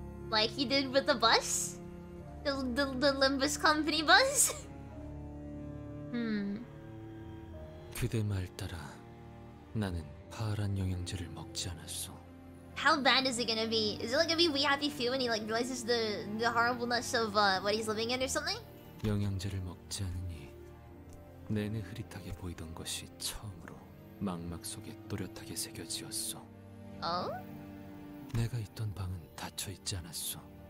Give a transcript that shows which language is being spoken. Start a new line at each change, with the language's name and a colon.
English: Like he did with the bus? The Limbus Company bus?
Korean: 그대 말 따라 나는 파란 영양제를 먹지 않았어.
English: How bad is it gonna be? Is it like gonna be We Happy Few when he like realizes the horribleness of what he's living in or something?
Korean: 영양제를 먹지 않으니 내내 흐릿하게 보이던 것이 처음으로 망막 속에 또렷하게 새겨지었어. 어? 내가 있던 방은 닫혀 있지 않았어.